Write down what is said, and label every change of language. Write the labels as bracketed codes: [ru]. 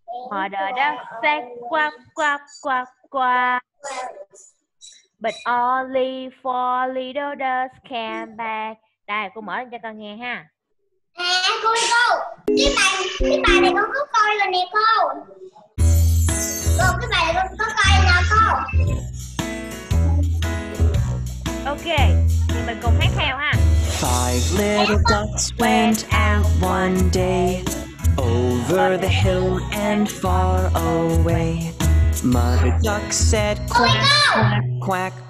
[en] Mother duck said quack quack quack quack, but only four little ducks came back. [vi] Đây, cô mở lên cho con nghe ha. À, cô đi cô. Cái bài này con có coi rồi nè cô. Cô, cái bài này con có coi rồi nè cô. Ok, thì mình cùng hát theo ha. [en] Five little ducks went out one day over the hill and far away. Mother duck said quack quack quack.